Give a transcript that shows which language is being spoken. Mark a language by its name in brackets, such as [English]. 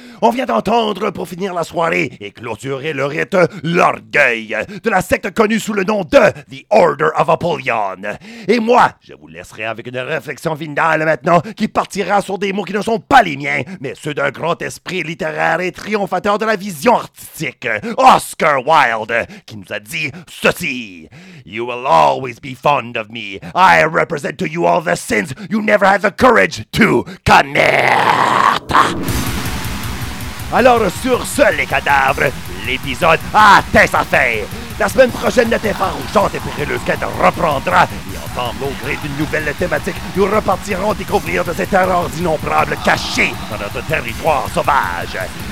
[French] On vient d'entendre, pour finir la soirée et clôturer le rite, l'orgueil de la secte connue sous le nom de The Order of Apollyon. Et moi, je vous laisserai avec une réflexion finale maintenant qui partira sur des mots qui ne sont pas les miens, mais ceux d'un grand esprit littéraire et triomphateur de la vision artistique, Oscar Wilde, qui nous a dit ceci. [English] You will always be fond of me. I represent to you all the sins you never had the courage to commit. [French] Alors sur ce, les cadavres, l'épisode a atteint sa fin. La semaine prochaine, notre effarouchante et périlleuse quête reprendra. Et ensemble, au gré d'une nouvelle thématique, nous repartirons découvrir de ces terreurs innombrables cachées dans notre territoire sauvage.